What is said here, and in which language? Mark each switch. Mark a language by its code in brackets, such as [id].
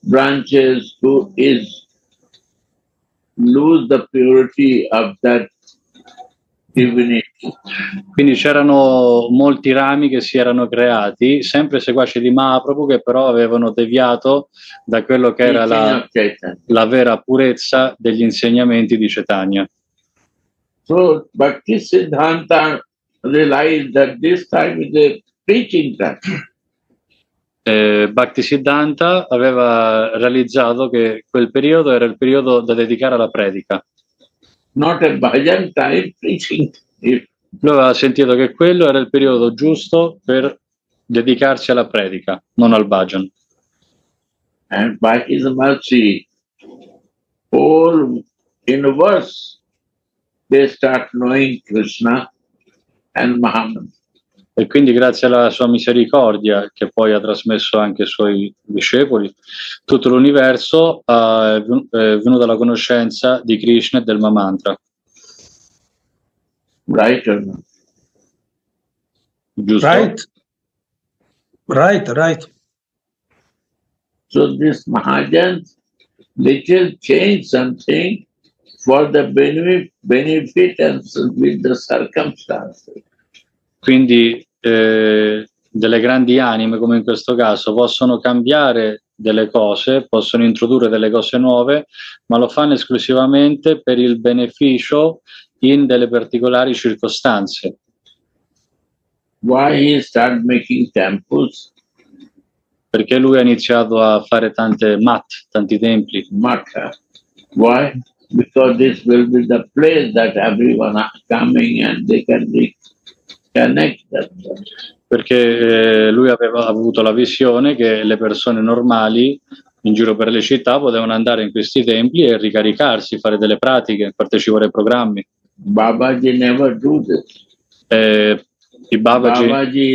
[en] Branches who is lose the purity of that. [it] Quindi c'erano molti rami che si erano creati, sempre seguaci di Mahaprabhu, che però avevano deviato da quello che era la vera purezza degli insegnamenti di Chaitanya. [en] So Bhaktisiddhanta realized that this time is a preaching time. [it] Bhaktisiddhanta aveva realizzato che quel periodo era il periodo da dedicare alla predica. [en] Not a bhajan time, preaching. [it] Lui aveva sentito che quello era il periodo giusto per dedicarsi alla predica, non al bhajan. [en] And by his mercy, whole universe, they start knowing Krishna and Muhammad. [it] E quindi grazie alla sua misericordia, che poi ha trasmesso anche ai suoi discepoli, tutto l'universo è venuto alla conoscenza di Krishna e del Mahamantra. [en] Right or no? [it] Giusto? [en] Right. Right, right. So this Mahajan little change something for the benefit and with the circumstances. [it] Quindi delle grandi anime, come in questo caso, possono cambiare delle cose, possono introdurre delle cose nuove, ma lo fanno esclusivamente per il beneficio in delle particolari circostanze. [en] Why he start making temples? [it] Perché lui ha iniziato a fare tante mat, tanti templi. [en] Matha. Why? Because this will be the place that everyone is coming and they can be connected. [it] Perché lui aveva avuto la visione che le persone normali in giro per le città potevano andare in questi templi e ricaricarsi, fare delle pratiche, partecipare ai programmi. [en] Babaji never do this. Babaji